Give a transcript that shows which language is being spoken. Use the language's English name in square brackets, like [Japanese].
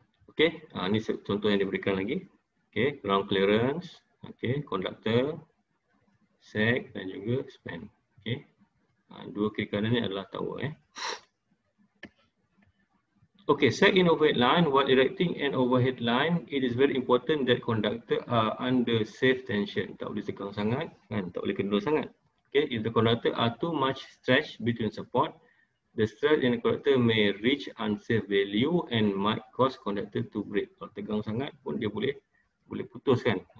[Malay] Okey, ni contoh yang diberikan lagi. Okey, ground clearance, okey, conductor, sag dan juga span. Okey. Dua kiri kanan ni adalah tower eh. [English] Okay, sag in overhead line, while erecting an overhead line, it is very important that conductor are under safe tension. [Malay] Tak boleh tegang sangat, kan? Tak boleh kendur sangat. [English] Okay, if the conductor are too much stretched between support, the stress in the conductor may reach unsafe value and might cause conductor to break. [Malay] Kalau tegang sangat pun dia boleh boleh putus kan?